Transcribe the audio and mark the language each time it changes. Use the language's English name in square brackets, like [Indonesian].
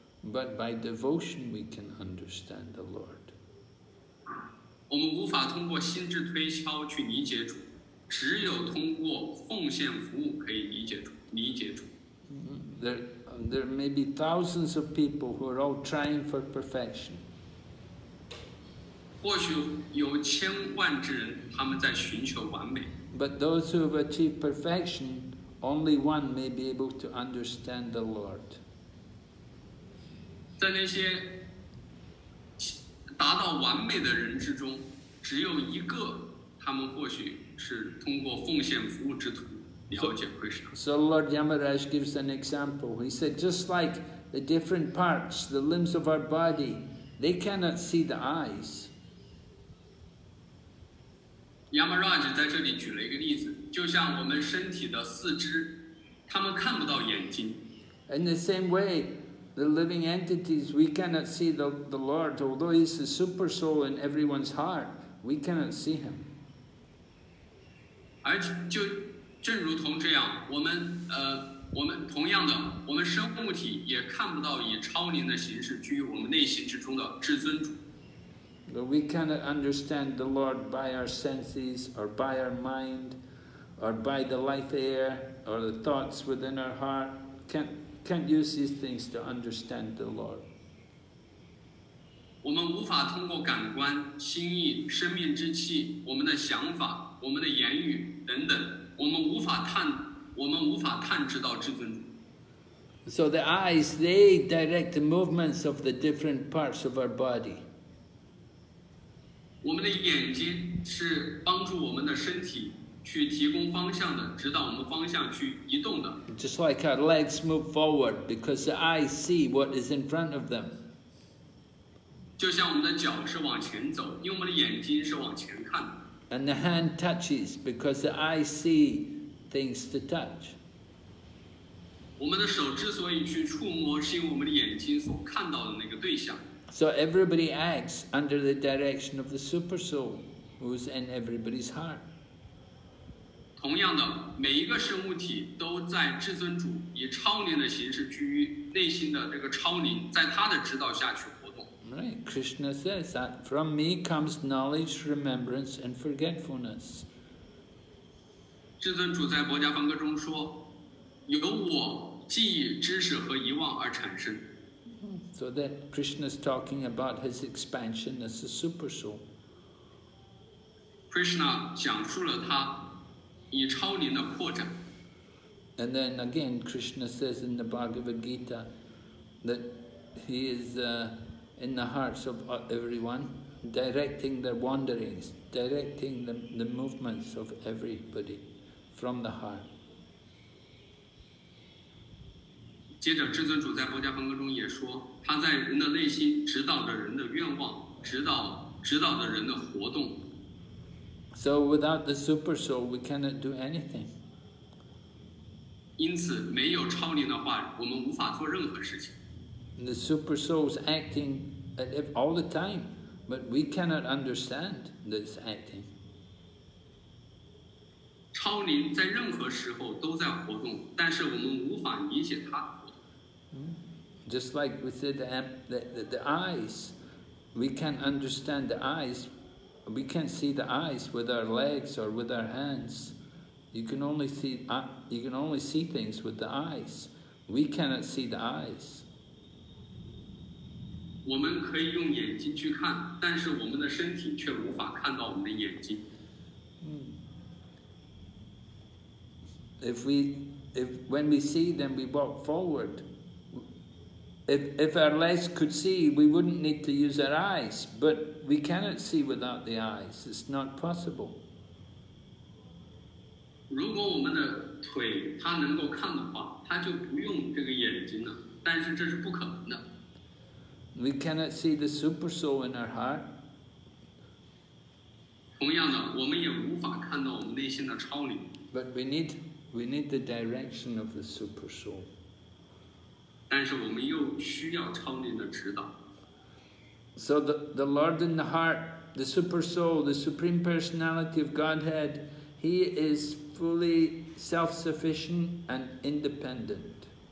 [English] But by devotion we can understand the Lord. [Chinese] 我们无法通过心智推敲去理解主，只有通过奉献服务可以理解主。 [English] There may be thousands of people who are all trying for perfection. [Chinese] 或许有千万之人，他们在寻求完美。 [English] But those who have achieved perfection, only one may be able to understand the Lord. [Chinese] 在那些达到完美的人之中，只有一个，他们或许是通过奉献服务之途了解 Krishna. [English] So Lord Yamaraj gives an example. He said, just like the different parts, the limbs of our body, they cannot see the eyes. [Chinese] Yamaraj 在这里举了一个例子，就像我们身体的四肢，他们看不到眼睛。 [English] In the same way, the living entities, we cannot see the Lord, although He's the super soul in everyone's heart, we cannot see Him. [Chinese] 而且就正如同这样，我们我们同样的，我们生物体也看不到以超灵的形式居于我们内心之中的至尊主。 [English] But we cannot understand the Lord by our senses, or by our mind, or by the life air, or the thoughts within our heart. Can't use these things to understand the Lord. [Chinese] 我们无法通过感官、心意、生命之气、我们的想法、我们的言语等等，我们无法探，我们无法探知到至尊主。 [English] So the eyes, they direct the movements of the different parts of our body. [Chinese] 我们的眼睛是帮助我们的身体去提供方向的，指导我们方向去移动的。 [English] Just like our legs move forward because the eyes see what is in front of them. [Chinese] 就像我们的脚是往前走，因为我们的眼睛是往前看的。 [English] And the hand touches because the eye see things to touch. [Chinese] 我们的手之所以去触摸，是因为我们的眼睛所看到的那个对象。 [English] So everybody acts under the direction of the super soul who's in everybody's heart. [Chinese] 同样的，每一个生物体都在至尊主以超灵的形式居于内心的这个超灵，在他的指导下去。 [English] Right, Krishna says that from me comes knowledge, remembrance, and forgetfulness. [Chinese] 至尊主在《薄伽梵歌》中说，由我记忆、知识和遗忘而产生。 [English] So that Krishna is talking about his expansion as the super soul. [Chinese] Krishna 讲述了他以超灵的扩展。 [English] And then again, Krishna says in the Bhagavad Gita that he is. In the hearts of everyone, directing their wanderings, directing the movements of everybody from the heart. [Chinese] 接着，至尊主在《薄伽梵歌》中也说，他在人的内心指导着人的愿望，指导着人的活动。 [English] So without the super soul, we cannot do anything. [Chinese] 因此，没有超灵的话，我们无法做任何事情。 [English] The super soul is acting. All the time, but we cannot understand this acting. [Chinese] 超灵在任何时候都在活动，但是我们无法理解它。 [English] Just like we said, the eyes, we can't understand the eyes. We can't see the eyes with our legs or with our hands. You can only see things with the eyes. We cannot see the eyes. [Chinese] 我们可以用眼睛去看，但是我们的身体却无法看到我们的眼睛。 [English] If when we see, then we walk forward. If our legs could see, we wouldn't need to use our eyes. But we cannot see without the eyes. It's not possible. [Chinese] 如果我们的腿它能够看的话，它就不用这个眼睛了。但是这是不可能的。 [English] We cannot see the super soul in our heart. [Chinese] 同样的，我们也无法看到我们内心的超灵。 [English] But we need the direction of the super soul. [Chinese] 但是我们又需要超灵的指导。 [English] So the Lord in the heart, the super soul, the supreme personality of Godhead, he is fully self-sufficient and independent.